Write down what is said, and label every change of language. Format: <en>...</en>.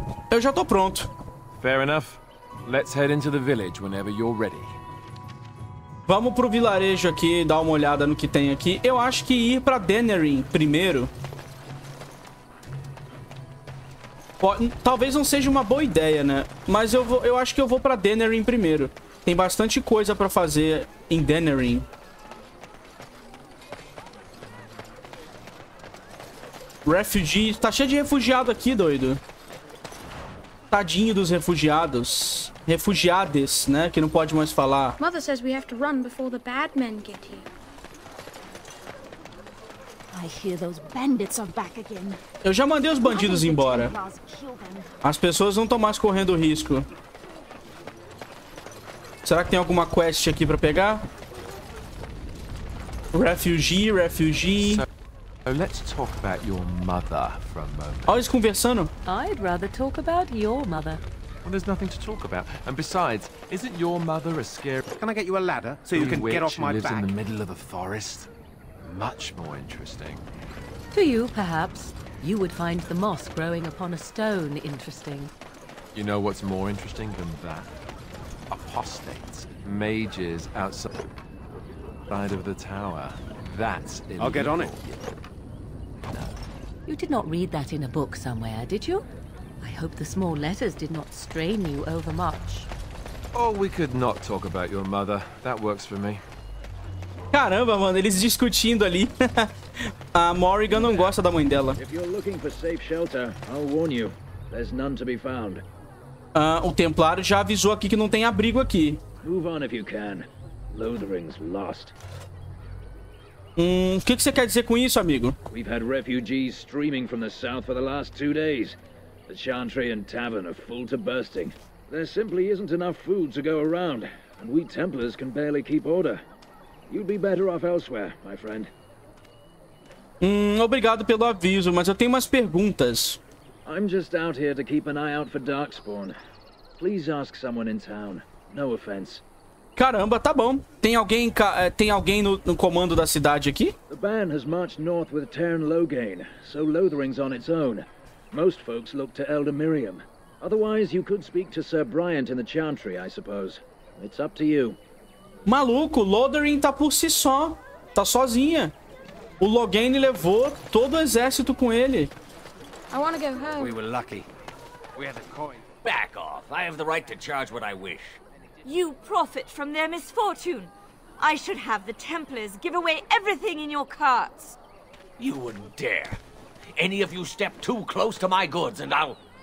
<pt>Eu já tô pronto.</pt> <en>Fair enough. Let's head into the village whenever you're ready.</en> <pt>Vamos pro vilarejo aqui, dar uma olhada no que tem aqui. Eu acho que ir pra Denerim primeiro. Talvez não seja uma boa ideia, né? Mas eu acho que eu vou pra Denerim primeiro. Tem bastante coisa pra fazer em Denerim. Refugee. Tá cheio de refugiado aqui, doido. Tadinho dos refugiados. Refugiades, né? Que não pode mais falar.</pt> <en>Mother says we have to run before the bad men get here. I hear those bandits are back again.</en> <pt>Eu já mandei os bandidos embora. As pessoas não estão mais correndo risco. Será que tem alguma quest aqui para pegar?</pt> <en>Refugee. So, let's talk about your mother for a moment.</en> <pt>Olha eles conversando.</pt> <en>I'd rather talk about your mother. Well, there's nothing to talk about. And besides, isn't your mother a scary... Can I get you a ladder so you can get off my back? Who lives in the middle of a forest? Much more interesting. To you, perhaps. You would find the moss growing upon a stone interesting. You know what's more interesting than that? Apostates. Mages outside of the tower. That's illegal. I'll get on it. No. You did not read that in a book somewhere, did you? I hope the small letters did not strain you overmuch. Oh, we could not talk about your mother. That works for me.</en> <pt>Caramba, mano, eles discutindo ali. A Morrigan não gosta da mãe dela.</pt> <en>If you're looking for safe shelter, I'll warn you. There's none to be found.</en> <pt>O Templário já avisou aqui que não tem abrigo aqui.</pt> <en>Move on if you can. Lothering's lost.</en> <pt>O que você quer dizer com isso, amigo?</pt> <en>We've had refugees streaming from the south for the last 2 days. The Chantry and Tavern are full to bursting. There simply isn't enough food to go around, and we Templars can barely keep order. You'd be better off elsewhere, my friend.</en> <pt>Obrigado pelo aviso, mas eu tenho umas perguntas.</pt> <en>I'm just out here to keep an eye out for Darkspawn. Please ask someone in town. No offense.</en> <pt>Caramba, tá bom. Tem alguém no comando da cidade aqui?</pt> <en>The band has marched north with Tern Logain, so Lothering's on its own. Most folks look to Elder Miriam. Otherwise, you could speak to Sir Bryant in the Chantry, I suppose. It's up to you.</en> <pt>Maluco, Lothering tá por si só. Tá sozinha. O Logain levou todo o exército com ele.</pt> <en>I want to go home. We were lucky. We had a coin. Back off. I have the right to charge what I wish. You profit from their misfortune. I should have the Templars give away everything in your carts. You wouldn't dare. Any of you step too close to my goods and I'll...</en>